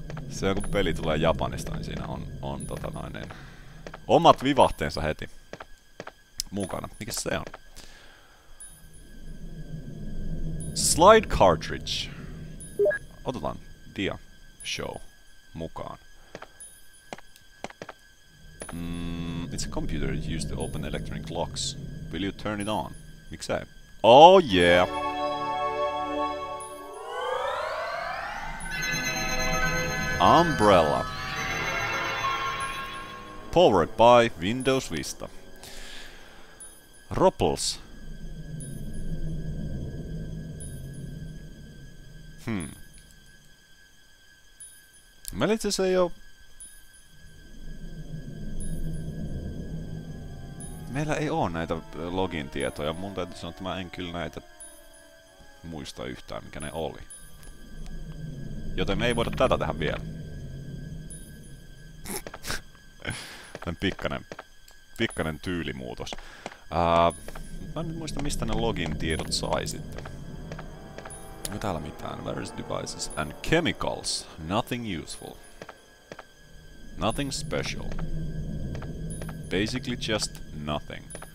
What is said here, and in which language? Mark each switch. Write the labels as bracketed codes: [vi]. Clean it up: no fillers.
[fi] Se on, kun peli tulee Japanista, niin siinä on tota noin niin... Omat vivahteensa heti mukana. Mikäs se on? [en] Slide cartridge. [fi] Otetaan dia show mukaan. [en] It's a computer you use to open electronic locks. Will you turn it on? [fi] Miksei? [en] Oh yeah! Umbrella. Powered by Windows Vista. Ropples. [fi] Meillä itse asiassa ei oo... Meillä ei oo näitä login-tietoja. Mun täytyy sanoa, että mä en kyllä näitä muista yhtään, mikä ne oli. Joten me ei voida tätä tehdä vielä. Tän pikkanen tyylimuutos. Mä en nyt muista, mistä ne login-tiedot sai sitten. No täällä mitään. [en] Various devices and chemicals. Nothing useful. Nothing special. Basically just nothing.